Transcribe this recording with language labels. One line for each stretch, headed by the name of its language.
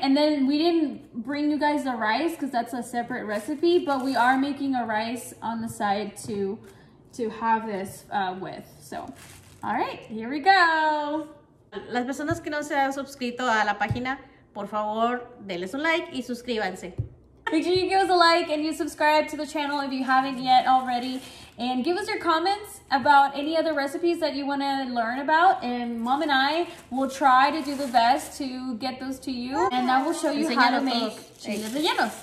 English: And then we didn't bring you guys the rice because that's a separate recipe, but we are making a rice on the side to have this with. So, all right, here we go.
Spanish: Las personas que no se han suscrito a la página, por favor, denles un like y suscríbanse.
English: Make sure you give us a like and you subscribe to the channel if you haven't yet already. And give us your comments about any other recipes that you want to learn about. And Mom and I will try to do the best to get those to you. And that will show you how to make chiles rellenos.